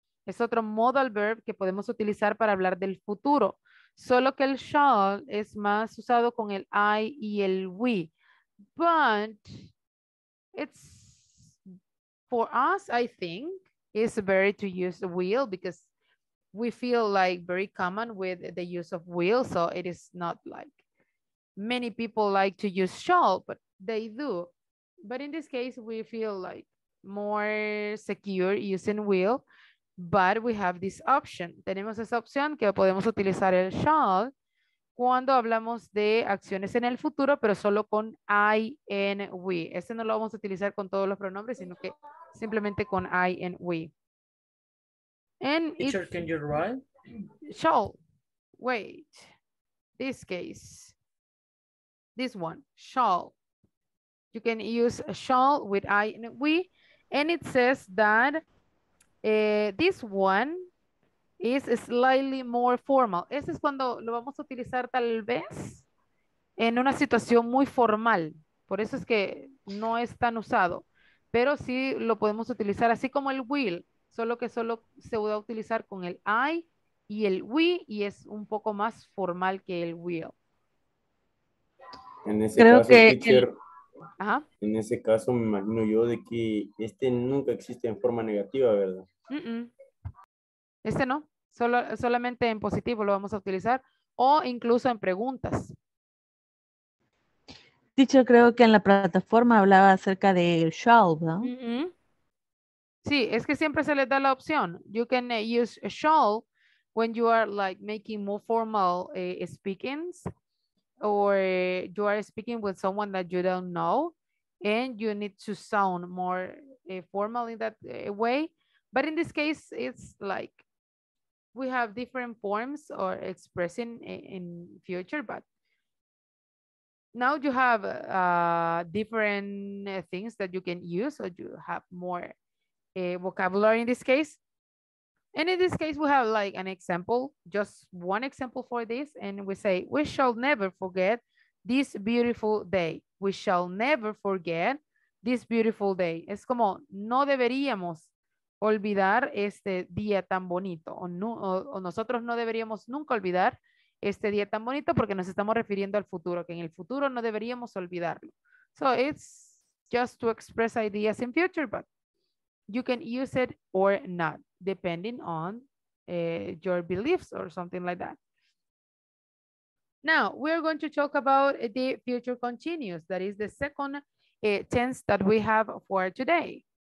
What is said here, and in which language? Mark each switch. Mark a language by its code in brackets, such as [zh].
[es] Es otro modal verb que podemos utilizar para hablar del futuro. Solo que el shall es más usado con el I y el we. [en] But it's, for us, I think, it's better to use will because we feel like very common with the use of will. So it is not like many people like to use shall, but they do. But in this case, we feel like more secure using will. But we have this option. [es] Tenemos esa opción que podemos utilizar el shall cuando hablamos de acciones en el futuro, pero solo con I and we. Este no lo vamos a utilizar con todos los pronombres, sino que simplemente con I and we. And [en] teacher, can you write? Shall. Wait. This case. This one. Shall. You can use shall with I and we. And it says that this one is slightly more formal. [es] Ese es cuando lo vamos a utilizar tal vez en una situación muy formal. Por eso es que no es tan usado. Pero sí lo podemos utilizar así como el will, solo que solo se va a utilizar con el I y el we, y es un poco más formal que el will. En ese creo caso, que teacher, en ese caso me imagino yo de que este nunca existe en forma negativa, ¿verdad? Mm-mm. Este no, solamente en positivo lo vamos a utilizar, o incluso en preguntas. Teacher, creo que en la plataforma hablaba acerca de shall, ¿no? Mm-hmm. Sí, es que siempre se les da la opción. [en] You can use shall when you are like making more formal speakings, or you are speaking with someone that you don't know and you need to sound more formal in that way. But in this case, it's like we have different forms or expressing in future, but now you have different things that you can use, or you have more vocabulary in this case. And in this case, we have like an example, just one example for this. And we say, we shall never forget this beautiful day. We shall never forget this beautiful day. [es] Es como, no deberíamos olvidar este día tan bonito, o nosotros no deberíamos nunca olvidar este día tan bonito, porque nos estamos refiriendo al futuro, que en el futuro no deberíamos olvidarlo. [en] So it's just to express ideas in future, but you can use it or not, depending on your beliefs or something like that. Now, we are going to talk about the future continuous. That is the second tense that we have for today.